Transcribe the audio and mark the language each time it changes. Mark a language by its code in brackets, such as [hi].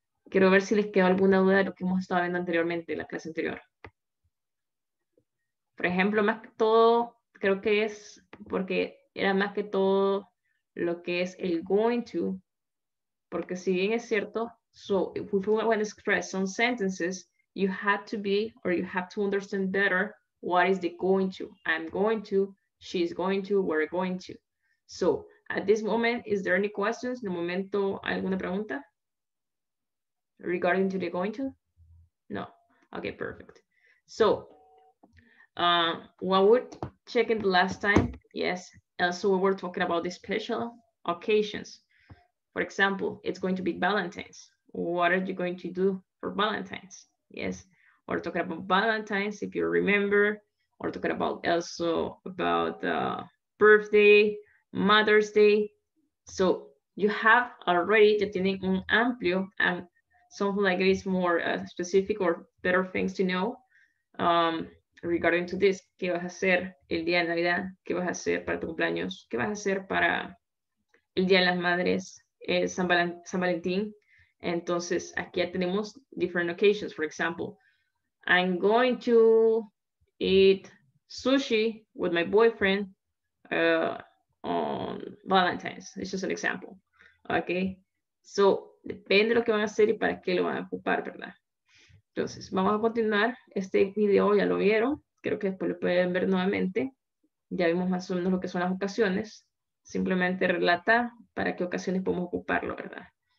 [es] Quiero ver si les quedó alguna duda de lo que hemos estado viendo anteriormente, en la clase anterior. Por ejemplo, más que todo, creo que es porque era más que todo lo que es el going to. Porque si bien es cierto, [en] so if we put when stress on sentences, You had to be, or you have to understand better, what is the going to? I'm going to, she's going to, we're going to. So, at this moment, is there any questions? [es] ¿En el momento alguna pregunta? [en] Regarding to the going to? No. Okay, perfect. So, what we're checking the last time, yes, so we were talking about the special occasions. For example, it's going to be Valentine's. What are you going to do for Valentine's? Yes, we're talking about Valentine's, if you remember, or talking about also about birthday, Mother's Day. So you have already [es] tienen un amplio [en] and something like it is more specific or better things to know regarding to this. [es] ¿Qué vas a hacer el día de Navidad? ¿Qué vas a hacer para tu cumpleaños? ¿Qué vas a hacer para el Día de las Madres, San Valentín? Entonces, aquí ya tenemos [en] different occasions. For example, I'm going to eat sushi with my boyfriend on Valentine's. It's just an example. Okay. [es] So, depende de lo que van a hacer y para qué lo van a ocupar, ¿verdad? Entonces, vamos a continuar. Este video ya lo vieron. Creo que después lo pueden ver nuevamente. Ya vimos más o menos lo que son las ocasiones. Simplemente relata para qué ocasiones podemos ocuparlo, ¿verdad?